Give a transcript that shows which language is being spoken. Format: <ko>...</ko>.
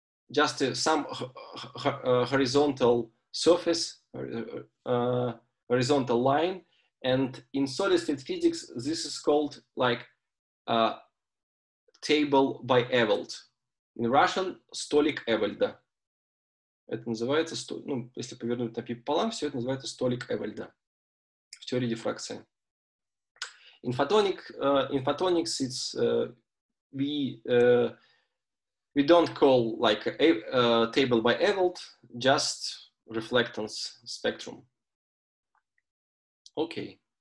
<en>Just some horizontal surface, horizontal line. And in solid state physics, this is called like a table by Ewald. In Russian,</en> <ru>столик Эвальда. Это называется, ну, если повернуть напополам, все это называется столик Эвальда в теории дифракции.</ru> <en>In photonic, in photonics, it's we don't call like a table by Ewald, just reflectance spectrum. Okay.</en>